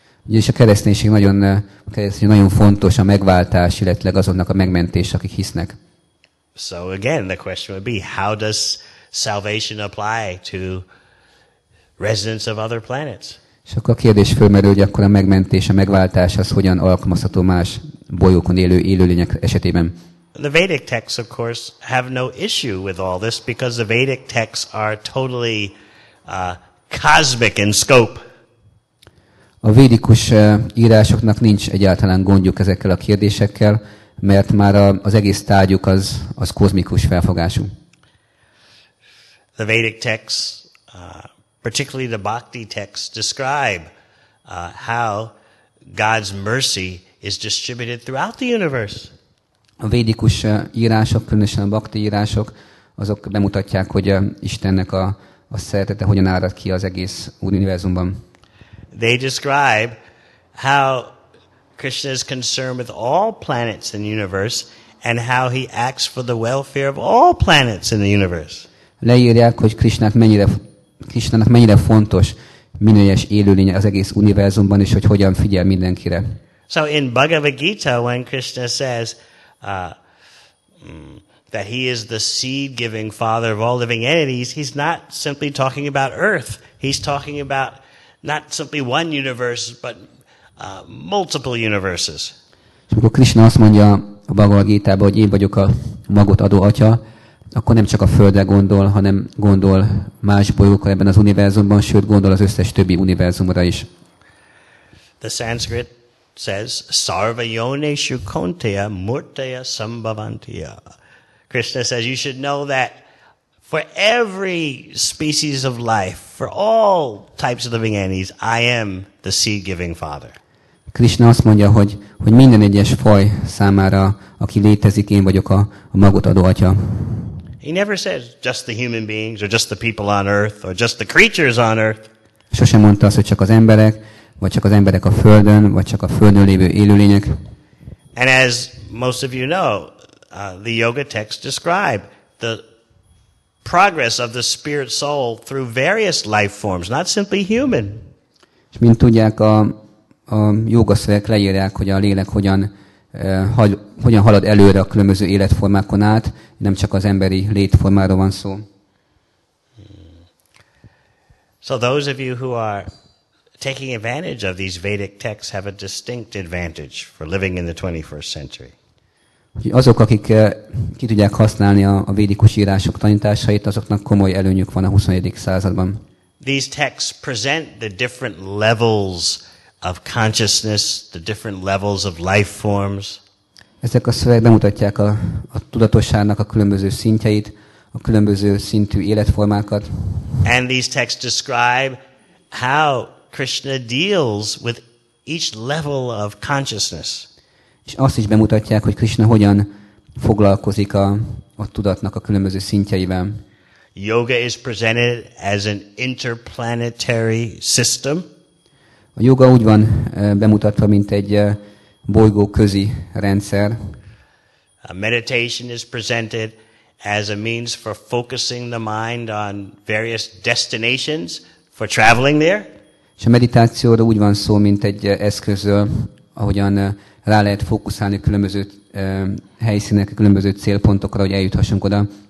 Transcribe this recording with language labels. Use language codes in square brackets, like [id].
[hu] És a kereszténység nagyon fontos a megváltás, illetve azoknak a megmentés, akik hisznek. [en] So again, the question would be, how does salvation apply to residents of other planets? [hu] És akkor a kérdés fölmerül, hogy akkor a megmentés, a megváltás az hogyan alkalmazható más bolyókon élő élőlények esetében? [en] The Vedic texts, of course, have no issue with all this, because the Vedic texts are totally cosmic in scope. [hu] A védikus írásoknak nincs egyáltalán gondjuk ezekkel a kérdésekkel, mert már az egész tárgyuk az kozmikus felfogású. [en] The Vedic texts, particularly the Bhakti texts, describe how God's mercy is distributed throughout the universe. [hu] A védikus írások, különösen a Bhakti írások, azok bemutatják, hogy Istennek a szeretete hogyan árad ki az egész univerzumban. [en] They describe how Krishna is concerned with all planets in the universe and how he acts for the welfare of all planets in the universe. [hu] Leírják, hogy Krishnának mennyire fontos minőjes élőlény az egész univerzumban, és hogy hogyan figyel mindenkire. [en] So in Bhagavad Gita, when Krishna says, that he is the seed-giving father of all living entities, he's not simply talking about Earth. He's talking about not simply one universe, but multiple universes. [hu] És amikor Krishna azt mondja a Bhagavad Gita-ba, hogy én vagyok a magot adó atya, akkor nem csak a Földre gondol, hanem gondol más bolyókra ebben az univerzumban, sőt gondol az összes többi univerzumra is. [en] The Sanskrit says, [sa] sarva yoneshu kunteya murtaya sambhavantiya. [en] Krishna says, you should know that for every species of life, for all types of living entities, I am the seed-giving father. [hu] Krishna azt mondja, hogy minden egyes faj számára, aki létezik, én vagyok a magot adó atya. [en] He never says just the human beings or just the people on earth or just the creatures on earth. [hu] Sosem mondta azt, hogy csak az emberek, vagy csak az emberek a Földön, vagy csak a Földön lévő élőlények. [en] And as most of you know, the yoga texts describe the progress of the spirit soul through various life forms, not simply human. [hu] És mint tudják, a jóga szövegek leírják, hogy a lélek hogyan halad előre a különböző életformákon át, nem csak az emberi létformáról van szó. [en] So those of you who are taking advantage of these Vedic texts have a distinct advantage for living in the 21st century. [hu] Azok, akik ki tudják használni a védikus írások tanításait, azoknak komoly előnyük van a 21. században. [en] These texts present the different levels of consciousness, the different levels of life forms. [hu] Ezek a szövegek bemutatják a tudatosságnak a különböző szintjeit, a különböző szintű életformákat. [en] And these texts describe how Krishna deals with each level of consciousness. [hu] És azt is bemutatják, hogy Krishna hogyan foglalkozik a tudatnak a különböző szintjeivel. [en] Yoga is presented as an interplanetary system. [hu] A yoga úgy van bemutatva, mint egy bolygóközi rendszer. [en] A meditation is presented as a means for focusing the mind on various destinations for traveling there. [hu] És a meditációra úgy van szó, mint egy eszközről, ahogyan rá lehet fókuszálni különböző helyszínek, különböző célpontokra, hogy eljuthassunk oda.